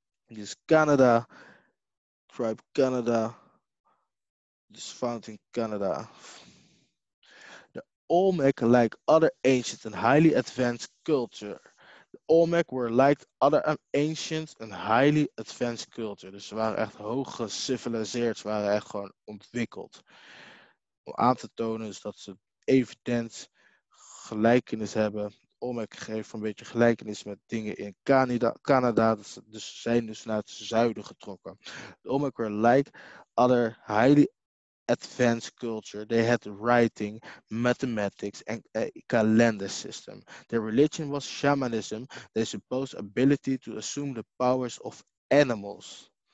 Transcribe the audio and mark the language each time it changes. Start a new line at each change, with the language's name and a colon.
English: This Canada, tribe Canada, is found in Canada. The Olmec, like other ancient and highly advanced culture. The Olmec were like other ancient and highly advanced culture.
Dutch: Dus ze waren echt hoog geciviliseerd, ze waren echt gewoon ontwikkeld. Om aan te tonen is dat ze evident gelijkenis hebben. Olmec geeft een beetje gelijkenis met dingen in Canada. Dus ze zijn dus naar het zuiden getrokken.
English: De Olmec were like other highly advanced culture. They had writing, mathematics and a calendar system. Their religion was shamanism. They supposed ability to assume the powers of animals.